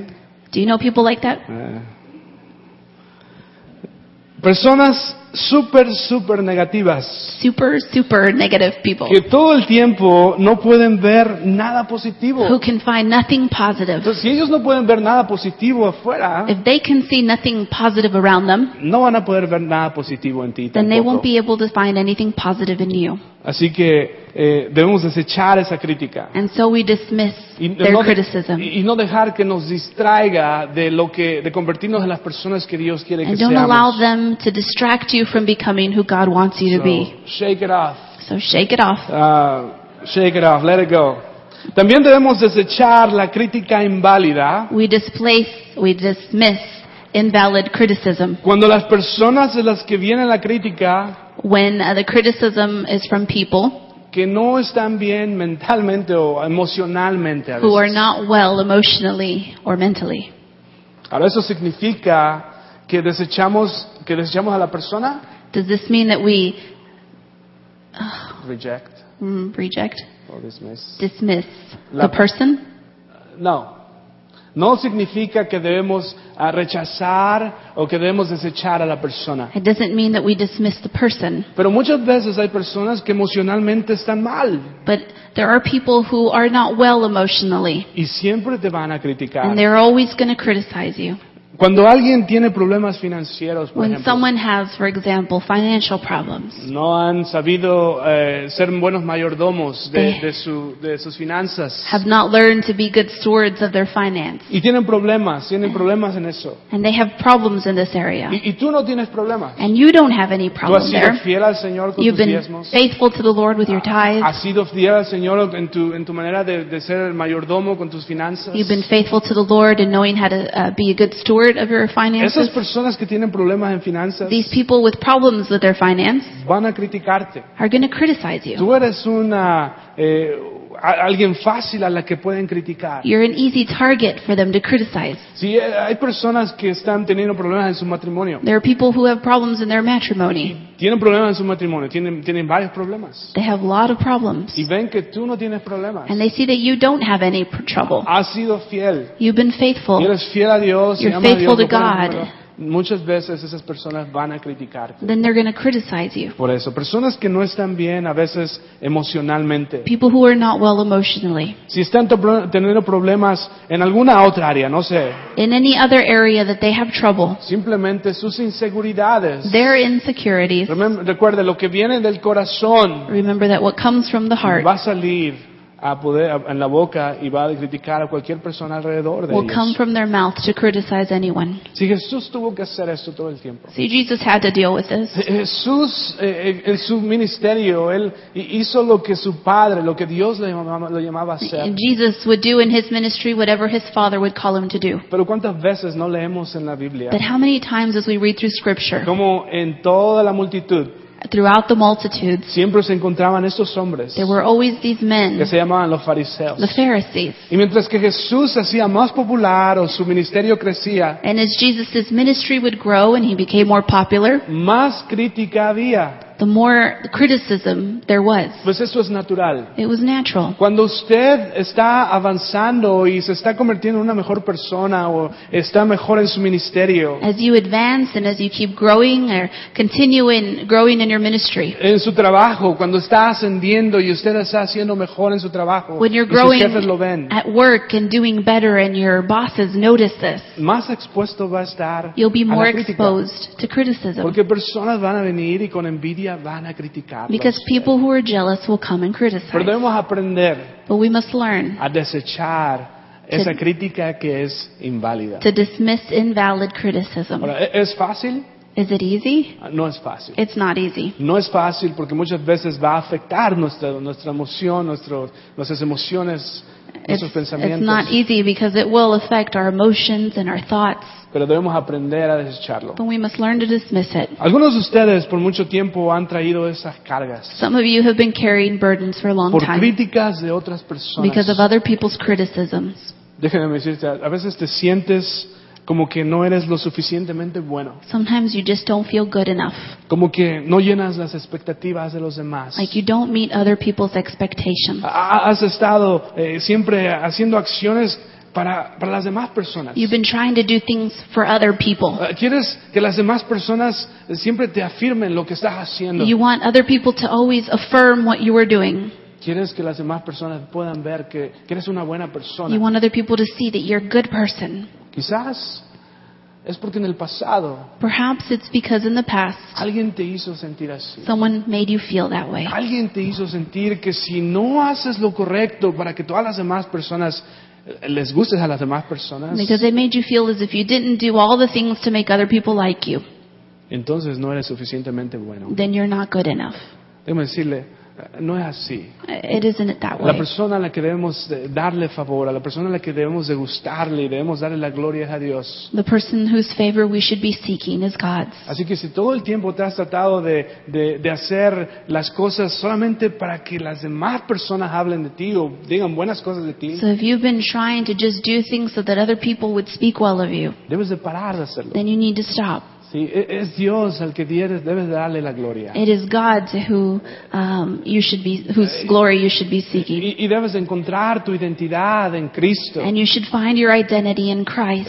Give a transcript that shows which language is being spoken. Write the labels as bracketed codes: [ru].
[en] Do you know people like that? [es] Personas super, super negativas. [en] Super, super negative people. [es] Que todo el tiempo no pueden ver nada positivo. [en] Who can find nothing positive. [es] Entonces, si ellos no pueden ver nada positivo afuera, [en] if they can see nothing positive around them, [es] no van a poder ver nada positivo en ti [en] then They won't be able to find anything positive in you. [es] Así que debemos desechar esa crítica. [en] And so we dismiss their criticism. [es] Y no dejar que nos distraiga de lo que de convertirnos en las personas que Dios quiere [en] and [es] que [en] don't [es] seamos. [en] Allow them to distract you from becoming who God wants you so, to be. Shake it off. So shake it off. Shake it off. Let it go. [es] También debemos desechar la crítica inválida. [en] We dismiss invalid criticism. [es] Cuando las personas de las que viene la crítica [en] when the criticism is from people [es] que no están bien mentalmente o emocionalmente a veces. [en] Who are not well emotionally or mentally. [es] Ahora, ¿eso significa que desechamos a la persona? [en] Does this mean that we reject? Reject? Or dismiss? Dismiss la, the person? [es] No. No significa que debemos rechazar o que debemos desechar a la persona. [en] It doesn't mean that we dismiss the person. [es] Pero muchas veces hay personas que emocionalmente están mal. [en] But there are people who are not well emotionally. [es] Y siempre te van a criticar. [en] And they're always going to criticize you. [es] Cuando alguien tiene problemas financieros, por [en] when [es] ejemplo, [en] someone has, for example, financial problems, [es] no han sabido ser buenos mayordomos de sus finanzas, [en] have not learned to be good stewards of their finances, [es] y tienen problemas en eso, [en] and they have problems in this area, [es] y tú no tienes problemas, [en] and you don't have any problem [es] there. Tú has sido [en] there. [es] Fiel al Señor con [en] you've [es] tus diezmos. [en] been faithful to the Lord with your tithes. [es] Has sido fiel al Señor en tu manera de ser el mayordomo con tus finanzas. [en] You've been faithful to the Lord in knowing how to be a good steward. Of your finances. [es] Esas personas que tienen problemas en finanzas, [en] these people with problems with their finance [es] van a criticarte. [en] Are going to criticize you. [es] Tú eres una, alguien fácil a la que pueden criticar. [en] You're an easy target for them to criticize. [es] Sí, hay personas que están teniendo problemas en su matrimonio. [en] There are people who have problems in their matrimony. [es] Tienen problemas en su matrimonio. Tienen varios problemas. [en] They have a lot of problems. [es] Y ven que tú no tienes problemas. [en] And they see that you don't have any trouble. [es] Has sido fiel. [en] You've been faithful. [es] Y eres fiel a Dios. [en] You're faithful [es] a Dios, [en] to God. [es] Muchas veces esas personas van a criticarte. [en] Then they're going to criticize you. [es] Por eso, personas que no están bien a veces emocionalmente. [en] People who are not well emotionally. [es] Si están teniendo problemas en alguna otra área, no sé. [en] In any other area that they have trouble. [es] Simplemente sus inseguridades. [en] Their insecurities. [es] Recuerde, lo que viene del corazón. [en] Remember that what comes from the heart. [es] Va a salir a poder, en la boca y va a criticar a cualquier persona alrededor de [en] will [es] ellos. [en] Come from their mouth to criticize anyone. [es] Si Jesús tuvo que hacer esto todo el tiempo. [en] See, Jesus had to deal with this. [es] Jesús en su ministerio él hizo lo que su padre, lo que Dios lo llamaba a hacer. [en] Jesus would do in his ministry whatever his father would call him to do. [es] Pero cuántas veces no leemos en la Biblia. [en] But how many times as we read through scripture. [es] Como en toda la multitud. [en] Throughout the multitudes, [es] siempre se encontraban estos hombres, [en] there were always these men [es] que se llamaban los fariseos, [en] the Pharisees. [es] Y mientras que Jesús se hacía más popular o su ministerio crecía, [en] and as Jesus' ministry would grow and he became more popular, [es] más crítica había. [en] The more criticism there was. [es] Pues eso es natural. [en] It was natural. [es] Cuando usted está avanzando y se está convirtiendo en una mejor persona o está mejor en su ministerio. [en] As you advance and as you keep growing or continuing growing in your ministry. [es] En su trabajo, cuando está ascendiendo y usted está haciendo mejor en su trabajo. [en] When you're growing [es] y sus jefes lo ven, [en] at work and doing better and your bosses notice this. [es] Más expuesto va a estar. [en] You'll be more exposed to criticism. [es] Porque personas van a venir y con envidia. [en] Because people who are jealous will come and criticize. [es] Pero debemos aprender, [en] but we must learn [es] a desechar esa crítica que es inválida. [en] To dismiss invalid criticism. [es] Ahora, ¿es fácil? [en] Is it easy? [es] No es fácil. [en] It's not easy. [es] No es fácil porque muchas veces va a afectar nuestra emoción, nuestras emociones. [en] It's not easy because it will affect our emotions and our thoughts. [es] Pero debemos aprender a desecharlo. [en] But we must learn to dismiss it. [es] Algunos de ustedes por mucho tiempo han traído esas cargas. [en] Some of you have been carrying burdens for a long [es] por [en] time. [es] Por críticas de otras personas. [en] Because of other people's criticisms. [es] Déjenme decirte, a veces te sientes como que no eres lo suficientemente bueno. [en] Sometimes you just don't feel good enough. [es] Como que no llenas las expectativas de los demás. [en] Like you don't meet other people's expectations. [es] Has estado siempre haciendo acciones para las demás personas. [en] You've been trying to do things for other people. [es] Quieres que las demás personas siempre te afirmen lo que estás haciendo. [en] You want other people to always affirm what you are doing. [es] Quieres que las demás personas puedan ver que eres una buena persona. [en] You want other people to see that you're a good person. [es] Quizás es porque en el pasado, [en] perhaps it's because in the past, [es] alguien te hizo sentir así. [en] Someone made you feel that way. [es] Alguien te hizo sentir que si no haces lo correcto para que todas las demás personas les gustes a las demás personas, [en] because they made you feel as if you didn't do all the things to make other people like you, [es] entonces no eres suficientemente bueno. [en] Then you're not good enough. [es] Déjame decirle, no es así. [en] It isn't that way. [es] La persona a la que debemos darle favor, a la persona a la que debemos degustarle y debemos darle la gloria es a Dios. [en] The person whose favor we should be seeking is God's. [es] Así que si todo el tiempo te has tratado de hacer las cosas solamente para que las demás personas hablen de ti o digan buenas cosas de ti, [en] so if you've been trying to just do things so that other people would speak well of you, [es] debes de parar de hacerlo. [en] Then you need to stop. [es] Sí, es Dios al que debes darle la gloria. [en] It is God to who you should be, whose glory you should be seeking. [es] Y debes encontrar tu identidad en Cristo. [en] And you should find your identity in Christ.